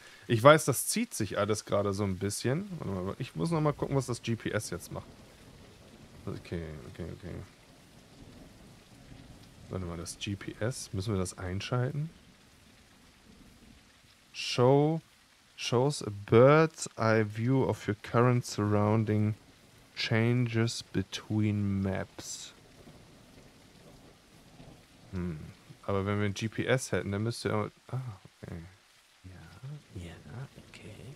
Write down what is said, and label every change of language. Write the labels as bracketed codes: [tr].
[de] Ich weiß, das zieht sich alles gerade so ein bisschen. Warte mal, ich muss noch mal gucken, was das GPS jetzt macht. Okay. Warte mal, das GPS. Müssen wir das einschalten? [en] Shows a bird's eye view of your current surrounding changes between maps. [de] Aber wenn wir ein GPS hätten, dann müsste... okay. Ja, okay.